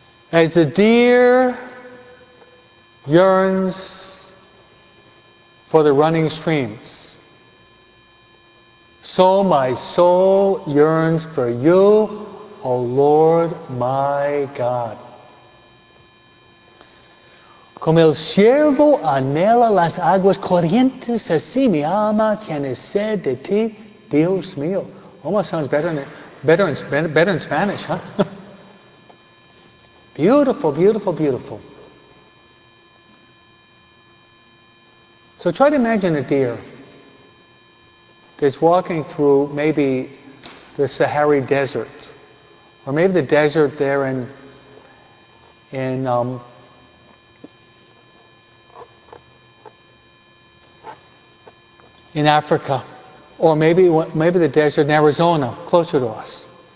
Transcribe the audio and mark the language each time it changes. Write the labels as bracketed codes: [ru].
[en] As the deer yearns for the running streams, so my soul yearns for you, O Lord my God. [es] Como el siervo anhela las aguas corrientes, así mi alma tiene sed de ti, Dios mío. [en] Almost sounds better in Spanish, huh? Beautiful, beautiful, beautiful. So try to imagine a deer that's walking through maybe the Sahara Desert, or maybe the desert there in in Africa, or maybe the desert in Arizona, closer to us.